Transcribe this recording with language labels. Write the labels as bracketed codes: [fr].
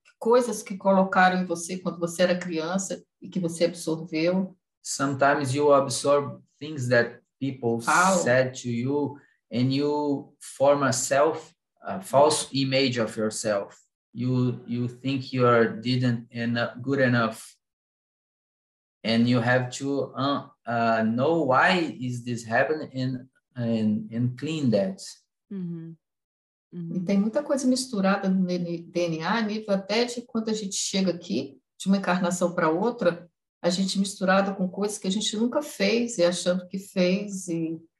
[pt] Coisas que colocaram em você quando você era criança e que você absorveu. [en] Sometimes you absorb things that people said to you and you form a false image of yourself. You think you are didn't enough, good enough. And you have to know why is this happening and clean that. Uhum. [pt] Uhum. E tem muita coisa misturada no DNA, a nível até de quando a gente chega aqui, de uma encarnação para outra, a gente misturada com coisas que a gente nunca fez e achando que fez e...